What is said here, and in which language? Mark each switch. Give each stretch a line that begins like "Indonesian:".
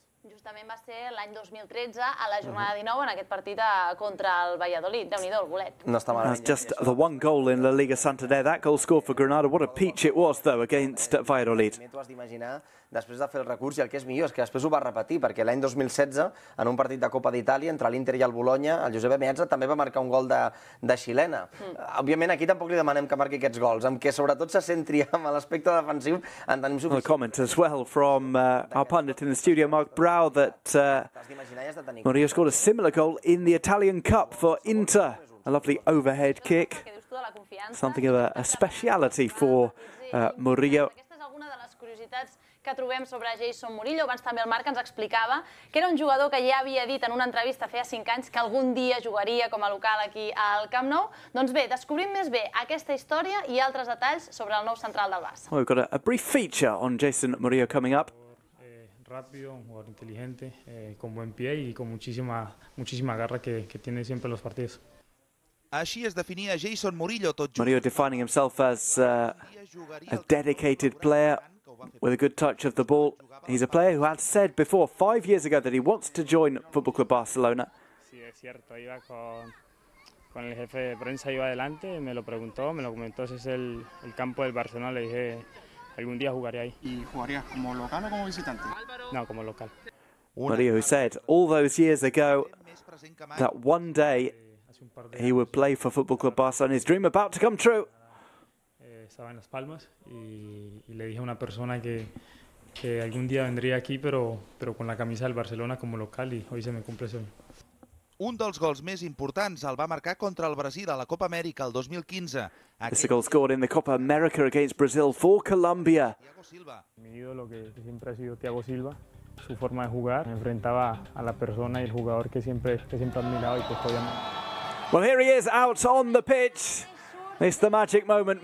Catalan: Justament va ser l'any 2013, a la jornada 19, en aquest partit contra el Valladolid. Déu-n'hi-do, el bolet. No està malament.
English: That's just the one goal in la Liga Santander. That goal scored for Granada. What a peach it was, though, against Valladolid.
Catalan: T'ho has d'imaginar, després de fer el recurs, i el que és millor és que després ho va repetir, perquè l'any 2016, en un partit de Copa d'Itàlia, entre l'Inter i el Bologna, el Josep Meazza també va marcar un gol de xilena. Òbviament, aquí tampoc li demanem que marqui aquests gols, amb què sobretot se centri en l'aspecte defensiu, en tenim suficient.
English: A comment as well from our pundit in the studio, Mark Brow, that Murillo scored a similar goal in the Italian Cup for Inter. A lovely overhead kick. Something of a speciality for Murillo.
Catalan: Aquesta és alguna de les curiositats que trobem sobre Jason Murillo. Abans també el Marc ens explicava que era un jugador que ja havia dit en una entrevista feia 5 anys que algun dia jugaria com a local aquí al Camp Nou. Doncs bé, descobrim més bé aquesta història i altres detalls sobre el nou central del Barça.
English: We've got a brief feature on Jason Murillo coming up.
Spanish: Rápido, un jugador inteligente, con buen pie y con muchísima garra que tiene siempre en los partidos.
Catalan: Així es definia Jason Murillo tot just.
English: Murillo defining himself as a dedicated player with a good touch of the ball. He's a player who had said before, 5 years ago, that he wants to join Football Club Barcelona.
Spanish: Sí, es cierto. Iba con el jefe de prensa, iba adelante, me lo preguntó, me lo comentó. Ese es el campo del Barcelona. Le dije, algún día jugaré ahí. ¿Y jugarías como local o como visitante? No, como local.
English: Murillo, who said all those years ago that one day he would play for Football Club Barcelona, his dream about to come true.
Spanish: Estaba en Las Palmas y le dije a una persona que algún día vendría aquí, pero con la camisa del Barcelona como local, y hoy se me cumple ese sueño.
Catalan: Un dels gols més importants el va marcar contra el Brasil a la Copa Amèrica el 2015.
English: This is a goal scored in the Copa America against Brazil for Colombia.
Spanish: Mi ídolo que siempre ha sido Thiago Silva. Su forma de jugar, me enfrentaba a la persona y el jugador que siempre ha admirado y pues podía.
English: Well, here he is out on the pitch. It's the magic moment.